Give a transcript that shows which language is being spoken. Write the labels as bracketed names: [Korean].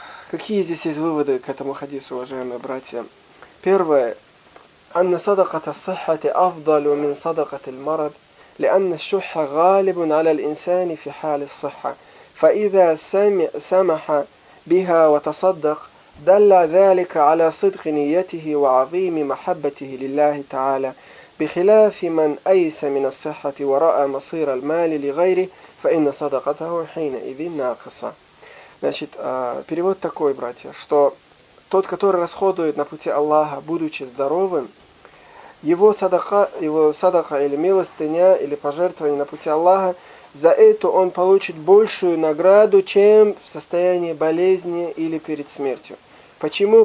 [Russian] Какие здесь есть выводы к этому хадису, уважаемые братья? Первое. [Arabic] أن صدقة الصحة أفضل من صدقة المرض لأن الشح غالب على الإنسان في حال الصحة فإذا سمح بها وتصدق دل ذلك على صدق نيته وعظيم محبته لله تعالى بخلاف من أيس من الصحة ورأى مصير المال لغيره فإن صدقته حينئذ ناقصة. [Russian] Значит, перевод такой, братья, что тот, который расходует на пути Аллаха, будучи здоровым, Его садака или милостыня, или пожертвование на пути Аллаха, за это он получит большую награду, чем в состоянии болезни или перед смертью. Почему?